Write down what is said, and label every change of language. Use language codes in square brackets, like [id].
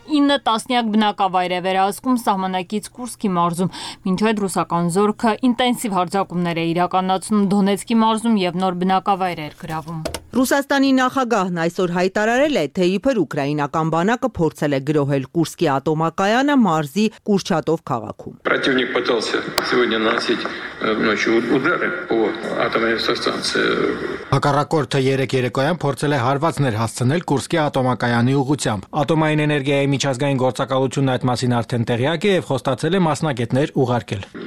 [hy] 9 տասնյակ բնակավայր է վերահսկում սահմանակից Կուրսկի մարզում, մինչ այդ ռուսական զորքը ինտենսիվ հարձակումներ է իրականացնում Դոնեցկի մարզում և նոր բնակավայր էր գրավում։ Ռուսաստանի նախագահն այսօր հայտարարել է, թե իբր ուկրաինական բանակը փորձել է գրոհել Կուրսկի ատոմակայանը մարզի Կուրչատով քաղաքում։ [ru] Противник пытался сегодня наносить ночью удары по атомной электростанции. [hy] Հակառակորդը 3-3-ով փորձել է հարվածներ հասցնել Կուրսկի ատոմակայանի ուղությամբ։ Ատոմային էներգիայի միջազգային գործակալությունն այդ մասին արդեն տեղյակ է և խոստացել է մասնակիցներ ուղարկել։